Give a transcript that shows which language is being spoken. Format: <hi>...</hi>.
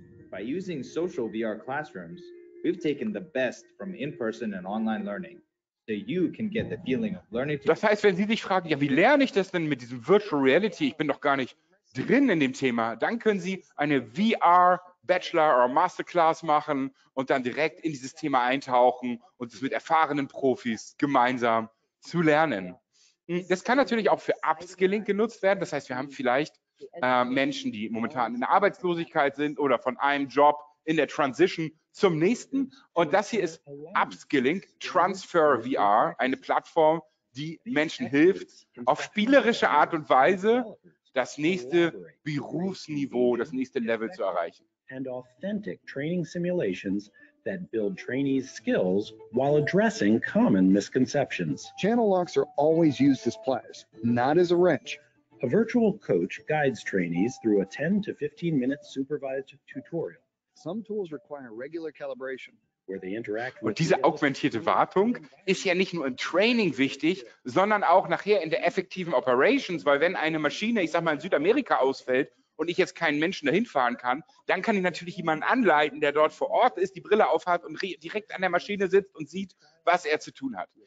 <en>By using social VR classrooms, we've taken the best from in-person and online learning. So you can get the feeling of learning.</en> <de>Das heißt, wenn Sie sich fragen, ja, wie lerne ich das denn mit diesem Virtual Reality? Ich bin doch gar nicht drin in dem Thema. Dann können Sie eine VR Bachelor oder Masterclass machen und dann direkt in dieses Thema eintauchen und es mit erfahrenen Profis gemeinsam zu lernen. Das kann natürlich auch für Upskilling genutzt werden. Das heißt, wir haben vielleicht Menschen, die momentan in der Arbeitslosigkeit sind oder von einem Job in der Transition zum nächsten. Und das hier ist Upskilling, Transfer VR, eine Plattform, die Menschen hilft, auf spielerische Art und Weise das nächste Berufsniveau, das nächste Level zu erreichen.</de> <en>And authentic training simulations that build trainees' skills while addressing common misconceptions. Channel locks are always used as pliers, not as a wrench. A virtual coach guides trainees through a 10 to 15 minute supervised tutorial. Some tools require regular calibration, where they interact with.</en> <de>Und diese augmentierte Wartung ist ja nicht nur im Training wichtig, sondern auch nachher in der effektiven Operations, weil wenn eine Maschine, ich sag mal, in Südamerika ausfällt und ich jetzt keinen Menschen dahin fahren kann, dann kann ich natürlich jemanden anleiten, der dort vor Ort ist, die Brille aufhat und direkt an der Maschine sitzt und sieht, was er zu tun hat.</de>